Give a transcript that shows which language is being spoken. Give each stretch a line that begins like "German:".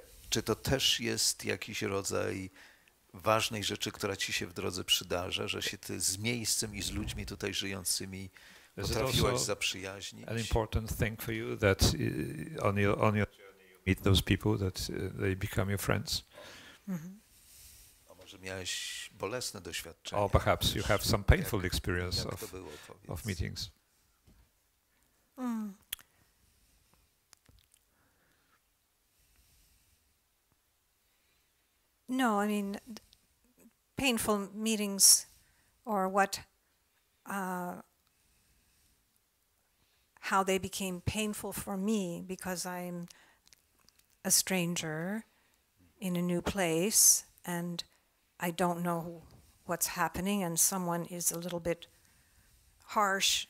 Polish: Czy to też jest jakiś rodzaj ważnej rzeczy, która ci się w drodze przydarza, że się ty z miejscem i z ludźmi tutaj żyjącymi potrafiłaś zaprzyjaźnić.
English: An important thing for you that on your journey you meet those people that they become your friends.
Polish: Mm-hmm. A może miałeś bolesne doświadczenie.
English: Or perhaps you have some painful experience of meetings. No, I mean, painful meetings or what, how they became painful for me because I'm a stranger in a new place and I don't know what's happening and someone is a little bit harsh.